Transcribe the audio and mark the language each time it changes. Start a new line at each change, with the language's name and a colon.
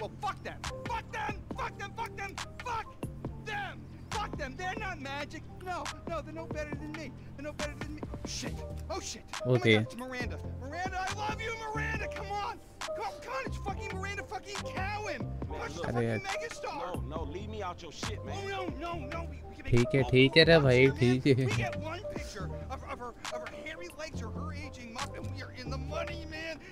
English: Well, fuck them. Fuck them! Fuck them! Fuck them! Fuck them! Fuck them! They're not magic. No, no, they're no better than me. They're no better than me. Shit. Oh, shit. Okay. Oh, Miranda. Miranda, I love you, Miranda. Come on. Come on, it's fucking Miranda fucking Cowan. Man, look, fucking megastar. No, leave me out your shit, man. Oh, no.
Hindi: ठीक है ठीक है रे भाई ठीक है।
English: of her hairy legs or her aging mop and we are in the money, man.